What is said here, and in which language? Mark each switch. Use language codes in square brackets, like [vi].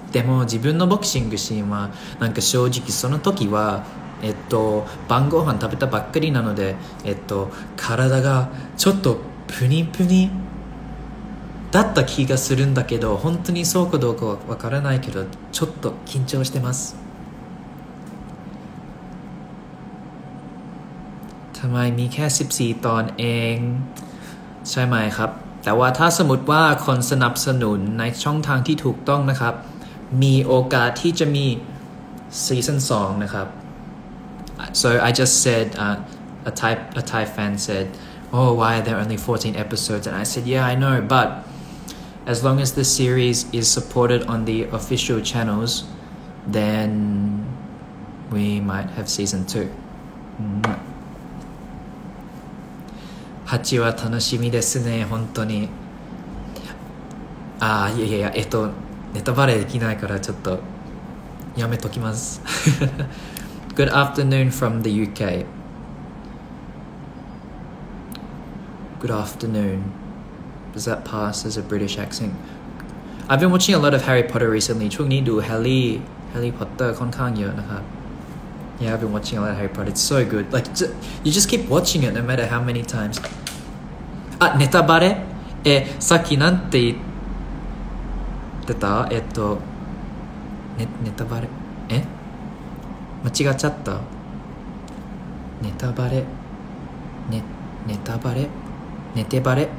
[ja] でも自分のボクシングシーンは、なんか正直その時は、晩ご飯食べたばっかりなので、体がちょっとプニプニだった気がするんだけど、本当にそうかどうかはわからないけど、ちょっと緊張してます。 [th] ทำไมมีแค่14ตอนเองใช่ไหมครับแต่ว่าถ้าสมมติว่าคนสนับสนุนในช่องทางที่ถูกต้องนะครับมีโอกาสที่จะมีซีซั่น2นะครับ [en] So I just said a Thai fan said oh why are there only 14 episodes and I said yeah I know but as long as the series is supported on the official channels then we might have season 2 [ja] ハチは楽しみですね、本当に。ああ、いやいやいや、ネタバレできないからちょっとやめときます。 [en] Good afternoon from the UK. Good afternoon. Does that pass as a British accent? I've been watching a lot of Harry Potter recently. [th] ช่วงนี้ดูHarry Potter ค่อนข้างเยอะนะครับ [en] Yeah, I've been watching a lot of Harry Potter. It's so good. Like, you just keep watching it no matter how many times. [ja] あ、ネタバレ？え、さっきなんて言ってた？ネタバレ？え？間違っちゃった？ネタバレ？ネタバレ？ネテバレ？